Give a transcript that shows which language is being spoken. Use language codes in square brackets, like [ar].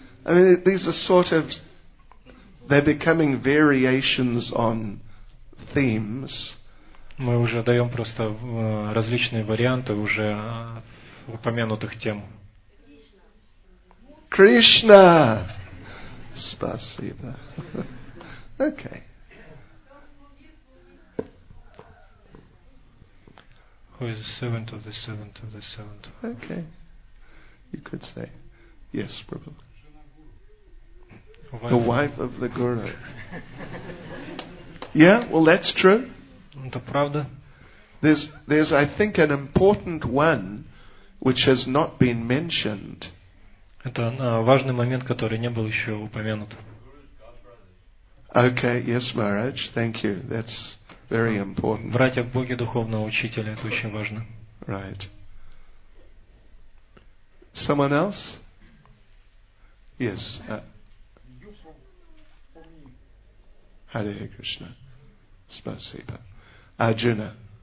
[en] I mean, these are sort of, they're becoming variations on themes. [ru] Мы уже даем просто различные варианты уже упомянутых тем. Кришна! Спасибо. [en] Okay. Who is the servant of the servant of the servant? Okay. You could say. Yes, Prabhu. The wife of the guru. Yeah, well, that's true. [ru] Это правда. [en] There's, I think, an important one which has not been mentioned. [ru] Это важный момент, который не был еще упомянут. [en] Okay, yes, Maharaj, thank you. That's very important. [ru] Братья в Боге духовного учителя, это очень важно. [en] Right. Someone else? Yes. [ru] Hare Krishna. Спасибо. Арджуна.